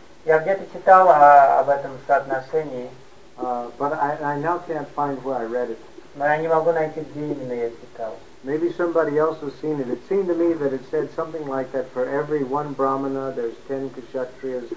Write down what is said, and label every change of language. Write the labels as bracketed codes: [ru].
[ru] Я где-то читал об этом соотношении. [en] But I now can't find where I read it. [ru] Но я не могу найти, где именно я читал. [en] Maybe somebody else has seen it. It seemed to me that it said something like that: for every one brahmana, there's 10 kshatriyas.